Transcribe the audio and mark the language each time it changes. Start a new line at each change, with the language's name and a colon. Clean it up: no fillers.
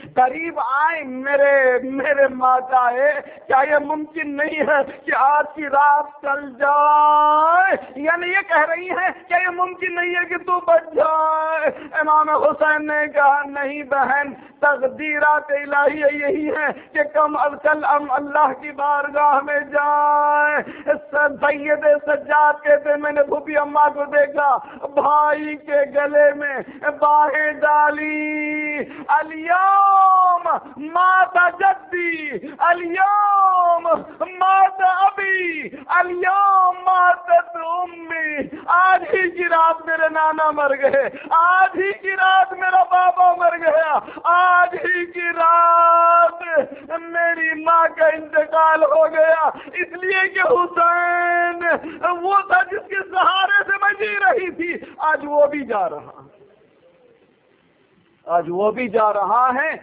Urdu: قریب آئے, میرے ماتا ہے, کیا یہ ممکن نہیں ہے کہ آج کی رات چل جائے؟ یعنی یہ کہہ رہی ہے کیا یہ ممکن نہیں ہے کہ تو بچ جائے؟ امام حسین نے کہا نہیں بہن, تقدیرات الہی یہی ہے کہ کم از کم اللہ کی بارگاہ میں جائے. سید سجاد کے میں نے بھوپی اما کو دیکھا, بھائی کے گلے میں باہیں ڈالی.
Arabic: الیوم مات جدی, الیوم مات ابی, الیوم ماتت امی.
Urdu: آج ہی کی رات میرے نانا مر گئے, آج ہی کی رات میرا بابا مر گیا, آج ہی کی رات میری ماں کا انتقال ہو گیا. اس لیے کہ حسین وہ تھا جس کے سہارے سے میں جی رہی تھی, آج وہ بھی جا رہا, آج وہ بھی جا رہا ہے.